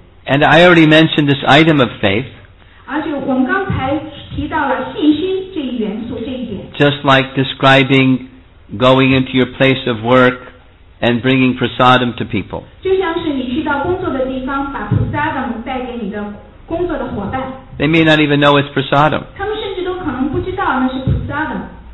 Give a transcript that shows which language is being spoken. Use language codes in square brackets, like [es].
[en] And I already mentioned this item of faith. [zh] 而且我们刚才提到了信心这一元素，这一点。 [en] Just like describing going into your place of work and bringing prasadam to people. [zh] 就像是你去到工作的地方，把 prasadam 带给你的工作的伙伴。 [en] They may not even know it's prasadam. [zh] 他们甚至都可能不知道那是 prasadam.